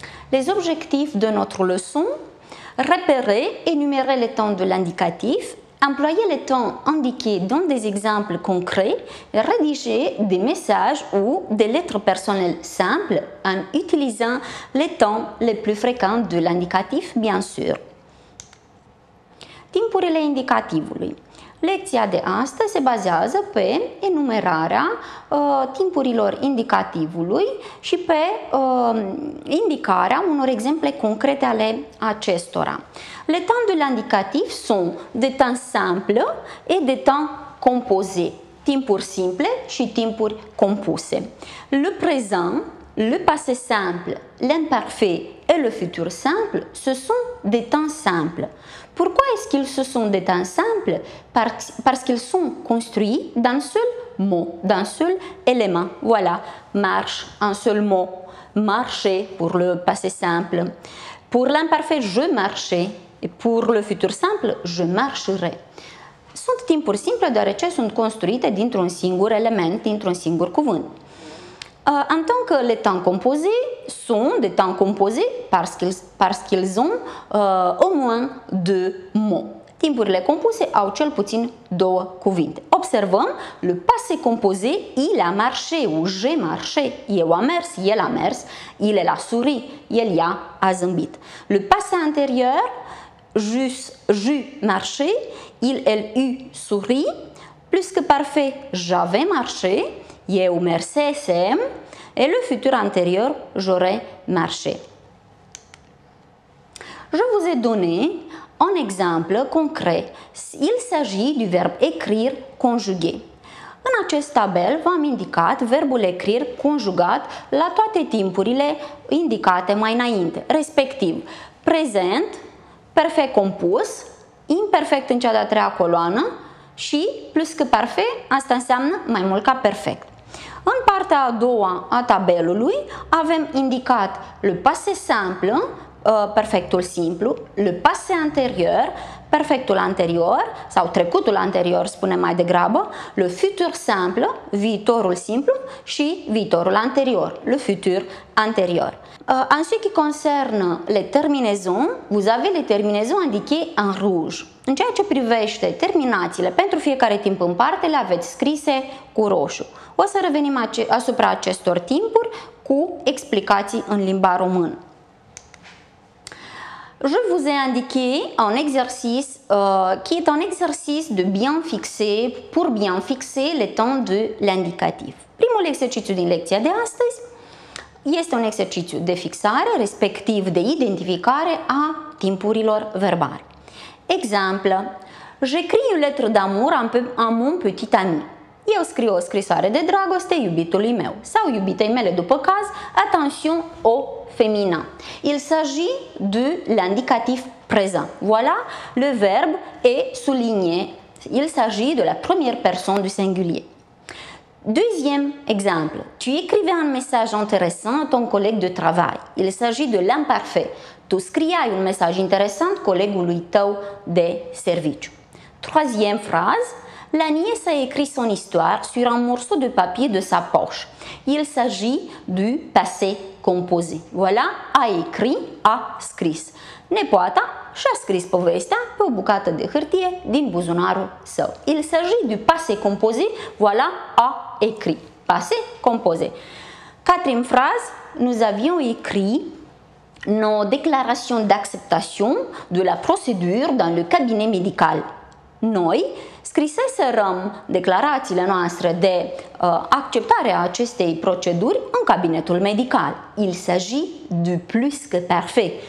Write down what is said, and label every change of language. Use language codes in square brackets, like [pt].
[fr] Les objectifs de notre leçon, repérer, énumérer les temps de l'indicatif, employer les temps indiqués dans des exemples concrets, rédiger des messages ou des lettres personnelles simples en utilisant les temps les plus fréquents de l'indicatif, bien sûr. [ro] Timpurile indicativului. Lecția de astăzi se bazează pe enumerarea timpurilor indicativului și pe indicarea unor exemple concrete ale acestora. [fr] Les temps de l'indicatif sont des temps simples et des temps composés, [ro] timpuri simple și timpuri compuse. [fr] Le présent, le passé simple, l'imparfait et le futur simple, ce sont des temps simples. Pourquoi est-ce qu'ils se sont des temps simples? Parce qu'ils sont construits d'un seul mot, d'un seul élément. Voilà, marche, un seul mot, marcher pour le passé simple. Pour l'imparfait, je marchais. Et pour le futur simple, je marcherai. [ro] Sunt timpuri simple deoarece sunt construite dintr-un singur element, dintr-un singur cuvânt. [fr] En tant que les temps composés sont des temps composés parce qu'ils ont au moins deux mots. [ro] Timpurile compuse au cel puțin două cuvinte. Observăm [fr] le passé composé, il a marché ou j'ai marché, [ro] eu am mers, el a mers, [fr] il est la souris, [ro] el ia, a zâmbit. [fr] Le passé antérieur, j'eus marché, il, elle, eut souri, plus que parfait, j'avais marché, [ro] eu mersesem, [fr] et le futur antérieur, j'aurais marché. Je vous ai donné un exemple concret. Il s'agit du verbe écrire conjugué. [ro] În acest tabel, v-am indicat verbul écrire conjugat la toate timpurile indicate mai înainte, respectiv prezent, perfect compus, imperfect în cea de-a treia coloană și plus că parfait, asta înseamnă mai mult ca perfect. În partea a doua a tabelului avem indicat le passé simple, perfectul simplu, le passé antérieur, perfectul anterior sau trecutul anterior, spunem mai degrabă, le futur simple, viitorul simplu și viitorul anterior, le futur anterior. [fr] En ce qui concerne les terminaisons, vous avez les terminaisons indiquées en rouge. [ro] În ceea ce privește terminațiile, pentru fiecare timp în parte le aveți scrise cu roșu. O să revenim asupra acestor timpuri cu explicații în limba română. [fr] Je vous ai indiqué un exercice qui est un exercice de bien fixer, pour bien fixer les temps de l'indicatif. [ro] Primul exercițiu din lecția de astăzi este un exercițiu de fixare, respectiv de identificare a timpurilor verbale. Exemplu, [fr] j'écris une lettre d'amour à mon petit ami. [ro] Eu scriu o scrisoare de dragoste iubitului meu sau iubitei mele după caz, attention, o femina. [fr] Il s'agit de l'indicatif présent. Voilà, le verbe est souligné. Il s'agit de la première personne du singulier. Deuxième exemple. Tu écrivais un message intéressant à ton collègue de travail. Il s'agit de l'imparfait. [ro] Tu scriai [fr] un message intéressant collègului [ro] tău de serviciu. [fr] Troisième phrase. La nièce a écrit son histoire sur un morceau de papier de sa poche. Il s'agit du passé composé. Voilà, a écrit, [ro] a scris. Nepoata și-a scris povestea pe o bucată de hârtie din buzunarul său. [fr] Il s'agit du passé composé, voilà, a écrit. Passé composé. Quatrième phrase, nous avions écrit nos déclarations d'acceptation de la procédure dans le cabinet médical. [ro] Noi scriseserăm declarațiile noastre de acceptare a acestei proceduri în cabinetul medical. [fr] Il s'agit du plus que parfait.